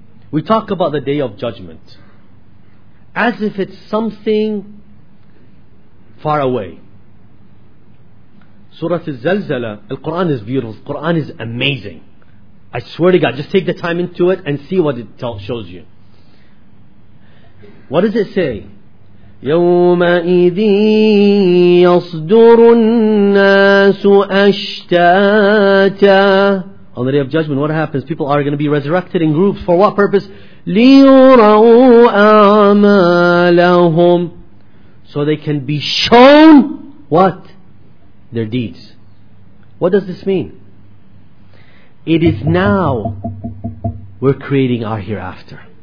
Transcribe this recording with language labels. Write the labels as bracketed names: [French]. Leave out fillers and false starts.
[English] We talk about the Day of Judgment as if it's something far away. Surah Al-Zalzala, Al-Quran is beautiful. Al-Quran is amazing. I swear to God, just take the time into it and see what it shows you. What does it say? [Arabic] يَوْمَئِذٍ يَصْدُرُ النَّاسُ أَشْتَاتًا. [English] On the Day of Judgment, what happens? People are going to be resurrected in groups. For what purpose? [Arabic] لِيُرَوْا أَعْمَالَهُمْ. [English] So they can be shown what? Their deeds. What does this mean? It is now we're creating our hereafter.